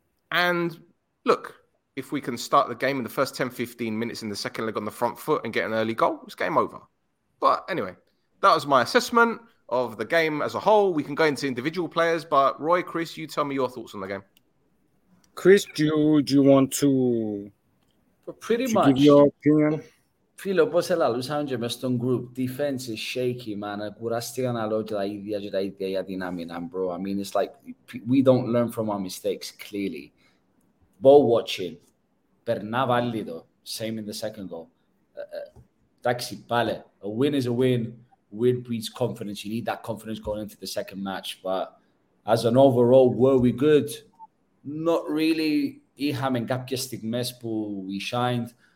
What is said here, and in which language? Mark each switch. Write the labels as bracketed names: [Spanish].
[English] And look, if we can start the game in the first 10-15 minutes in the second leg on the front foot and get an early goal, it's game over. But anyway, that was my assessment of the game as a whole. We can go into individual players, but Roy, Chris, you tell me your thoughts on the game. Chris, do you want to give your opinion? [Greek] Φίλε, όπως ελαλούσαμε και μέσα στον group, [English] defense is shaky, man. [Greek] Κουράστηκα να λέω και τα ίδια για την άμυνα, bro. [English] I mean, it's like, we don't learn from our mistakes, clearly. Ball watching. [Greek] Περνά βαλίδο. [English] Same in the second goal. [Greek] Εντάξει, πάλι. [English] A win is a win. Win breeds confidence. You need that confidence going into the second match. But as an overall, were we good? Not really. [Greek] Είχαμε κάποιες στιγμές που [English] we shined.